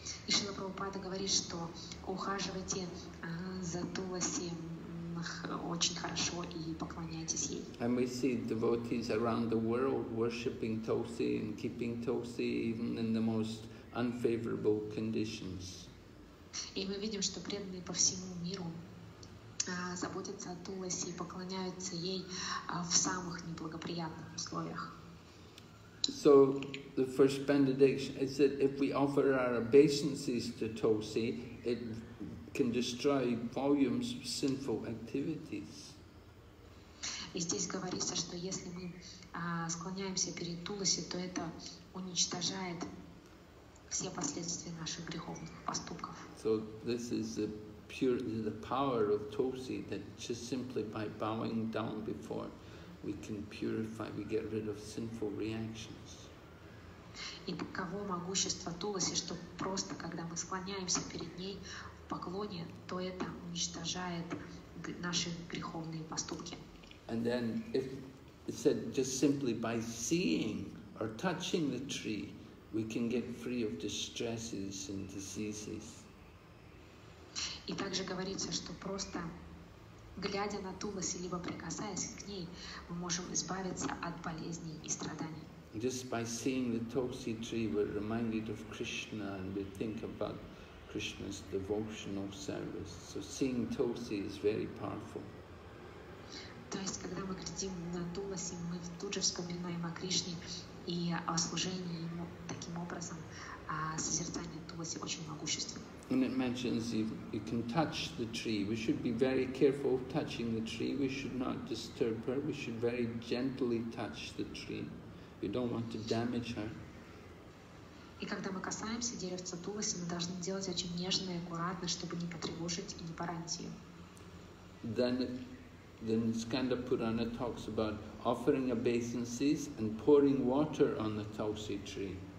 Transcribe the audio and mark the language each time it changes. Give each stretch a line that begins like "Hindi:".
Russian: Шрила Прабхупада говорит, что ухаживайте за Туласи очень хорошо и поклоняйтесь ей.
English: And we see devotees around the world worshipping Tulsi and keeping Tulsi even in the most unfavorable conditions.
Russian: И мы видим, что преданные по всему миру заботятся о Туласи и поклоняются ей в самых неблагоприятных условиях.
English: So the first benediction is that if we offer our obeisances to Tulsi, it can destroy volumes of sinful activities.
Russian: И здесь говорится, что если мы склоняемся перед Туласи, то это уничтожает все последствия наших греховных поступков.
English: So this is the pure, the power of Tulsi, that just simply by bowing down before it, we can purify, we get rid of sinful reactions.
Russian: И таково могущество Туласи, что просто когда мы склоняемся перед ней в поклоне, то это уничтожает наши греховные поступки.
English: And then if it said just simply by seeing or touching the tree, we can get free of distresses and diseases.
Russian: И также говорится, что просто глядя на Туласи, либо прикасаясь к ней, мы можем избавиться от болезней и страданий.
English: Just by seeing the Tulsi tree, we're reminded of Krishna, and we think about Krishna's devotional service. So seeing Tulsi is very powerful.
Russian: То есть, когда мы глядим на Туласи, мы тут же вспоминаем о Кришне и о служении ему таким образом. Созерцание Туласи очень могущественно.
English: And it mentions you can touch the tree. We should be very careful of touching the tree. We should not disturb her. We should very gently touch the tree. We don't want to damage her.
Russian: И когда мы касаемся деревца Туласи, мы должны делать очень нежно и аккуратно, чтобы не потревожить и не поранить ее.
English: Then Skanda Purana talks about offering obeisances and pouring water on the Tulsi tree.